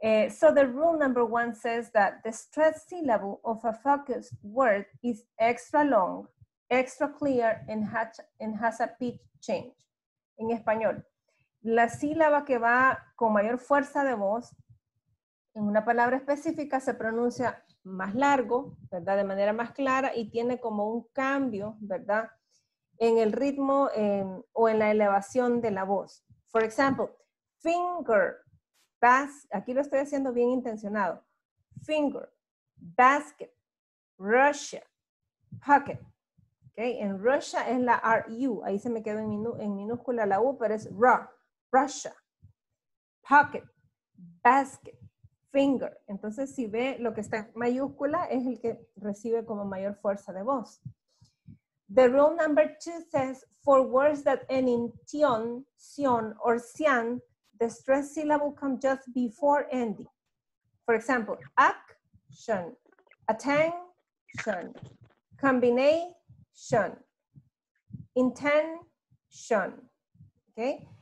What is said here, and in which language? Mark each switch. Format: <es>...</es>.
<en>So the rule number one says that the stress syllable of a focused word is extra long, extra clear, and has a pitch change.</en> <es>En español, la sílaba que va con mayor fuerza de voz en una palabra específica se pronuncia más largo, ¿verdad? De manera más clara y tiene como un cambio, ¿verdad? En el ritmo o en la elevación de la voz.</es> <en>For example, finger, basket,</en> <es>aquí lo estoy haciendo bien intencionado.</es> <en>Finger, basket, Russia, pocket.</en> <es>Okay, en Russia es la RU, ahí se me quedó en minúscula la U, pero es R, Russia, pocket, basket, finger. Entonces, si ve lo que está en mayúscula, es el que recibe como mayor fuerza de voz.</es> <en>The rule number two says, for words that end in tion, sion, or sian, the stress syllable comes just before ending. For example, action, attention, combination, intention, okay?</en>